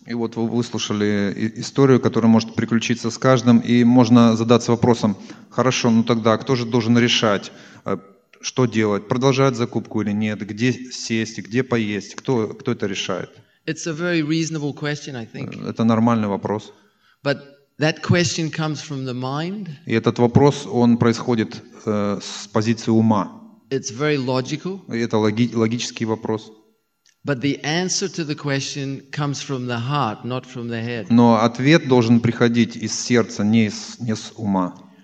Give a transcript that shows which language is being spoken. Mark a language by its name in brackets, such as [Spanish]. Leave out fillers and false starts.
[Russian] И вот вы выслушали историю, которая может приключиться с каждым, и можно задаться вопросом: хорошо, ну тогда кто же должен решать, что делать, продолжать закупку или нет, где сесть, где поесть, кто это решает? [English] It's a very reasonable question, I think. [Russian] Это нормальный вопрос. [English] But that question comes from the mind. [Russian] И этот вопрос, он происходит с позиции ума. [English] It's very logical. [Russian] Это логический вопрос. [English] But the answer to the question comes from the heart, not from the head. [Russian] Но ответ должен приходить из сердца, не с ума.